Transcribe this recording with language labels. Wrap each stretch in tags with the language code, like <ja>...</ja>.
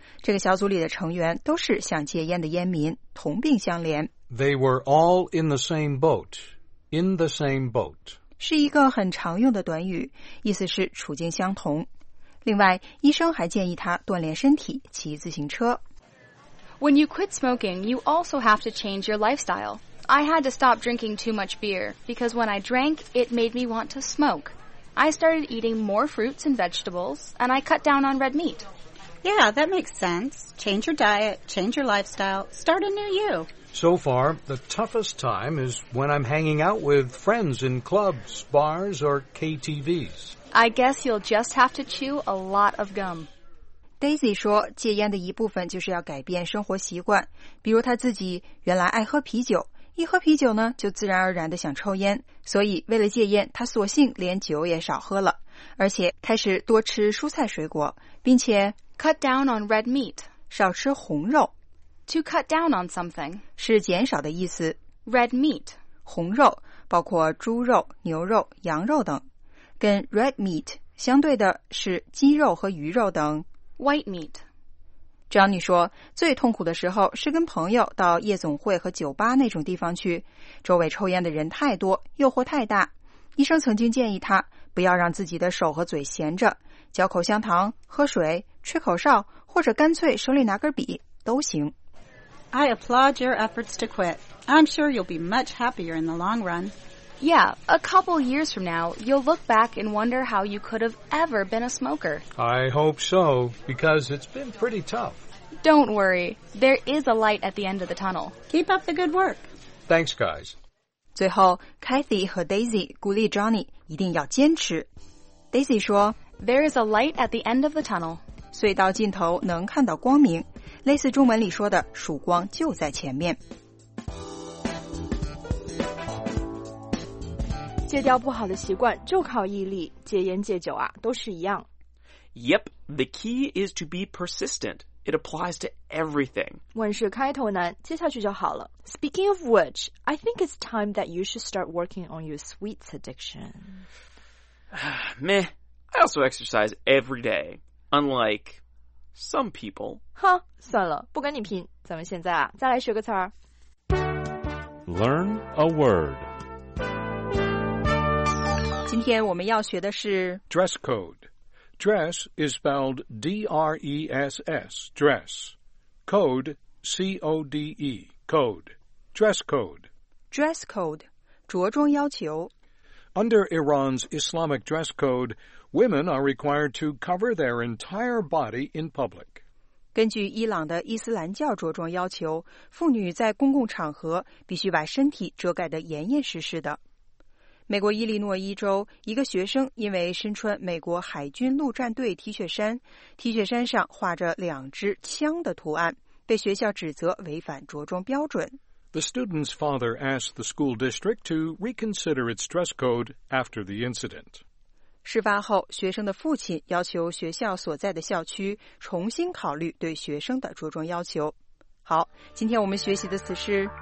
<zh>这个小组里的成员都是想戒烟的烟民，同病相怜。</zh> <en>They were all in the same boat. In the same boat</en> <zh>是一个很常用的短语，意思是处境相同。另外，医生还建议他锻炼身体，骑自行车。</zh> <en>When you quit smoking, you also have to change your lifestyle. I had to stop drinking too much beer, because when I drank, it made me want to smoke. I started eating more fruits and vegetables, and I cut down on red meat. Yeah, that makes sense. Change your diet, change your lifestyle, start a new you. So far, the toughest time is when I'm hanging out with friends in clubs, bars, or KTVs. I guess you'll just have to chew a lot of gum.</en> <zh>Daisy 说戒烟的一部分就是要改变生活习惯比如她自己原来爱喝啤酒一喝啤酒呢就自然而然地想抽烟所以为了戒烟她索性连酒也少喝了而且开始多吃蔬菜水果并且</zh> <en>cut down on red meat</en> <zh>少吃红肉</zh> <en>to cut down on something</en> <zh>是减少的意思</zh> <en>red meat</en> <zh>红肉包括猪肉牛肉羊肉等跟 red meat 相对的是鸡肉和鱼肉等</zh> <en>White meat.</en> <zh>Johnny 说最痛苦的时候是跟朋友到夜总会和酒吧那种地方去周围抽烟的人太多诱惑太大医生曾经建议他不要让自己的手和嘴闲着嚼口香糖喝水吹口哨或者干脆手里拿根笔都行</zh> <en>I applaud your efforts to quit I'm sure you'll be much happier in the long run Yeah, a couple years from now, you'll look back and wonder how you could have ever been a smoker. I hope so, because it's been pretty tough. Don't worry. There is a light at the end of the tunnel. Keep up the good work. Thanks, guys.</en> <zh>最后 ,Kathy 和 Daisy 鼓励 Johnny 一定要坚持。Daisy 说</zh> <en>,There is a light at the end of the tunnel.</en> <zh>隧道尽头能看到光明。类似中文里说的曙光就在前面。戒掉不好的习惯就靠毅力，戒烟戒酒啊，都是一样。</zh> <en>Yep, the key is to be persistent. It applies to everything.</en> <zh>问事开头难，接下去就好了。</zh> <en>Speaking of which, I think it's time that you should start working on your sweets addiction. Meh, I also exercise every day, unlike some people.</en> <zh>哈，算了，不跟你拼，咱们现在啊，再来学个词儿。</zh> <en>Learn a word.</en> <zh>今天我们要学的是</zh> <en>dress code. Dress is spelled D-R-E-S-S, dress. Code, C-O-D-E, code. Dress code.</en> <zh>Dress code, 着装要求。</zh> <en>Under Iran's Islamic dress code, women are required to cover their entire body in public.</en> <zh>根据伊朗的伊斯兰教着装要求，妇女在公共场合必须把身体遮盖得严严实实的。美国伊利诺伊州一个学生因为身穿美国海军陆战队 T 恤衫 ,T 恤衫上画着两支枪的图案被学校指责违反着装标准。</zh> <en>The student's father asked the school district to reconsider its dress code after the incident.</en> <zh>事发后学生的父亲要求学校所在的校区重新考虑对学生的着装要求。好今天我们学习的词是</zh>